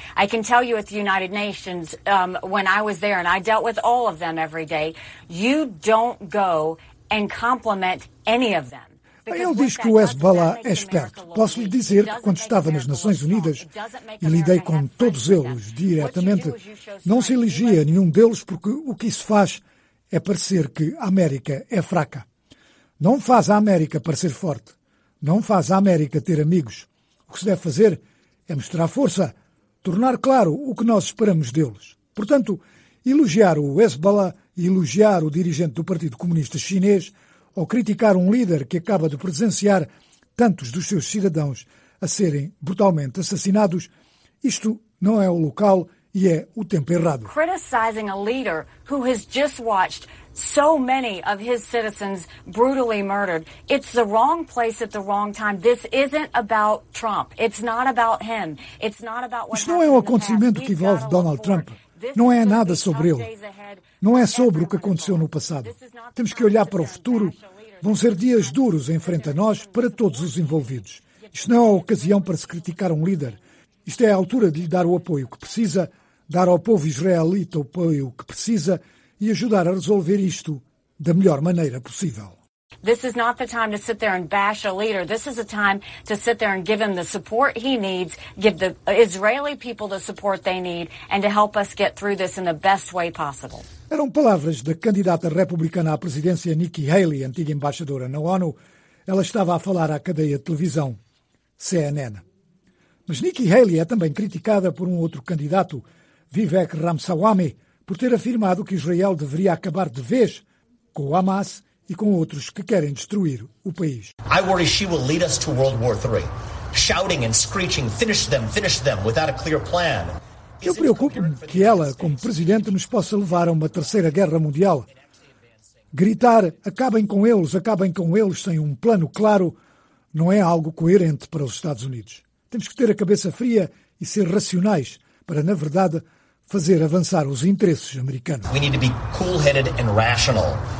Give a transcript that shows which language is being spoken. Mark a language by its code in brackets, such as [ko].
[en] I can tell you at the United Nations, when I was there and I dealt with all of them every day, you don't go and compliment any of them. [pt] Ele diz que o Hezbollah é esperto. Posso lhe dizer que, quando estava nas Nações Unidas e lidei com todos eles diretamente, não se elogia nenhum deles, porque o que isso faz é parecer que a América é fraca. Não faz a América parecer forte. Não faz a América ter amigos. O que se deve fazer é mostrar força, tornar claro o que nós esperamos deles. Portanto, elogiar o Hezbollah e elogiar o dirigente do Partido Comunista Chinês ou criticar um líder que acaba de presenciar tantos dos seus cidadãos a serem brutalmente assassinados, isto não é o local e é o tempo errado. [en] Criticizing a leader who has just watched so many of his citizens brutally murdered. It's the wrong place at the wrong time. This isn't about Trump. It's not about him. It's not about what. [pt] Isto não é um acontecimento que envolve Donald Trump. Não é nada sobre ele. Não é sobre o que aconteceu no passado. Temos que olhar para o futuro. Vão ser dias duros em frente a nós, para todos os envolvidos. Isto não é a ocasião para se criticar um líder. Isto é a altura de lhe dar o apoio que precisa, dar ao povo israelita o apoio que precisa e ajudar a resolver isto da melhor maneira possível. [en] This is not the time to sit there and bash a leader. This is a time to sit there and give him the support he needs, give the Israeli people the support they need, and to help us get through this in the best way possible. [pt] Eram palavras da candidata republicana à presidência Nikki Haley, antiga embaixadora na ONU. Ela estava a falar à cadeia de televisão CNN. Mas Nikki Haley é também criticada por um outro candidato, Vivek Ramaswamy, por ter afirmado que Israel deveria acabar de vez com o Hamas e com outros que querem destruir o país. [en] I worry she will lead us to World War III, shouting and screeching, finish them, finish them, without a clear plan. [pt] Eu preocupo-me que ela, como presidente, nos possa levar a uma terceira guerra mundial. Gritar, acabem com eles, sem um plano claro, não é algo coerente para os Estados Unidos. Temos que ter a cabeça fria e ser racionais para, na verdade, fazer avançar os interesses americanos. [en] We need to be cool-headed and rational.